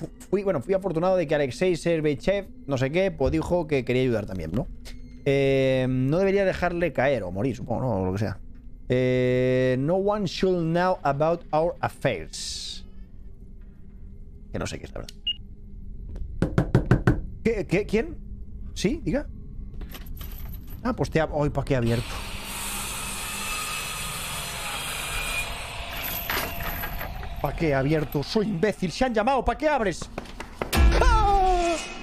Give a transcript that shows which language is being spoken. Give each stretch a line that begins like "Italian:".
Spanish: Fui afortunado de que Alexei Serbechev, no sé qué, pues dijo que quería ayudar también, ¿no? No debería dejarle caer o morir, supongo, ¿no? O lo que sea.
English: No one should know about our affairs.
Spanish: Que no sé qué es, la verdad. ¿Qué? ¿Quién? ¿Sí? ¿Diga? Ah, pues te ha... ¡Ay, pa' qué abierto! ¿Pa' qué abierto? ¡Soy imbécil! ¡Se han llamado! ¿Pa' qué abres? ¡Ah!